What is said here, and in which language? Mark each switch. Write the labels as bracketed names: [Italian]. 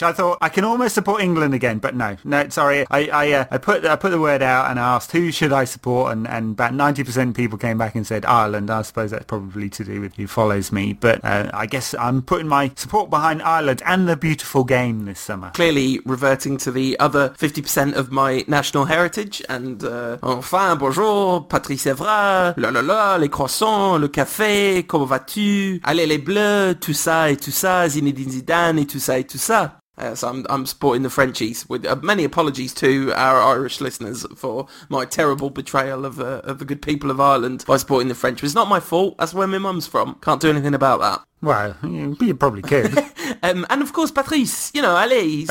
[English] I thought I can almost support England again, but no, sorry. I put the word out and asked who should I support, and about 90% of people came back and said Ireland. I suppose that's probably to do with who follows me, but I guess I'm putting my support behind Ireland and the beautiful game this summer. Clearly reverting to the other 50% of my national heritage, and [French] enfin bonjour Patrice Evra, la la la, les croissants, le café, comment vas-tu, allez les bleus, tout ça et tout ça, Zinedine Zidane et tout ça et tout ça. [English] So I'm supporting the Frenchies, with many apologies to our Irish listeners for my terrible betrayal of the good people of Ireland by supporting the French. It's not my fault, that's where my mum's from, can't do anything about that. Well, you probably could. And of course, Patrice, you know, Ali's...